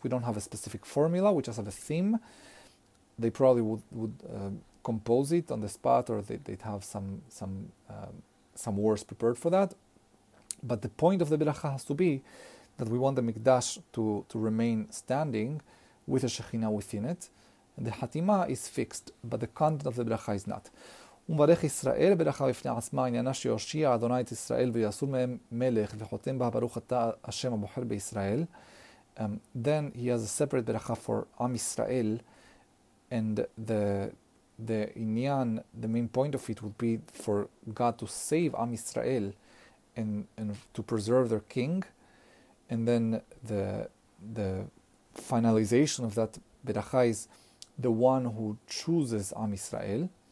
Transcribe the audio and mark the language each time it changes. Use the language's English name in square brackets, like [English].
[English] We don't have a specific formula, we just have a theme. They probably would compose it on the spot, or they'd have some some words prepared for that. But the point of the beracha has to be that we want the mikdash to remain standing with a shechina within it. And the hatima is fixed, but the content of the beracha is not. [Hebrew] ומברך ישראל ברכה בפני עצמה עניינה שיושיע אדוני את ישראל ויעשו מהם מלך וחותם בה ברוך אתה השם הבוחר בישראל. [English] Then he has a separate beracha for Am Israel, and the inyan, the main point of it would be for God to save Am Israel and to preserve their king. And then the finalization of that beracha is the one who chooses Am Israel.